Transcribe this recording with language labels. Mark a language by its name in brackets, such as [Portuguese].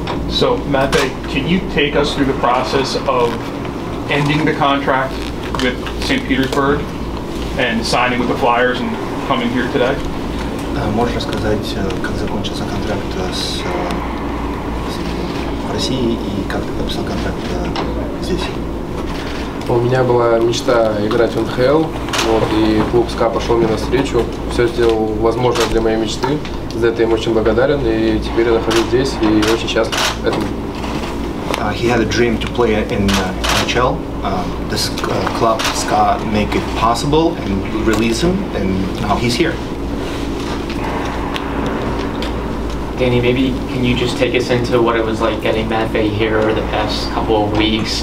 [English] So, Matvei, can you take us through the process of ending the contract with St. Petersburg and signing with the Flyers and coming here today? [Russian] Можно сказать, как закончился контракт с Россией и как ты подписал контракт здесь? У меня была мечта играть в НХЛ, вот, и клуб СКА пошел мне навстречу. Все сделал возможное для моей мечты. За это я им очень благодарен, и теперь я нахожусь здесь и очень счастлив этому. [English] He had a dream to play in NHL. This club SKA make it possible and release him, and now he's here. Danny, maybe can you just take us into what it was like getting Matvei here over the past couple of weeks?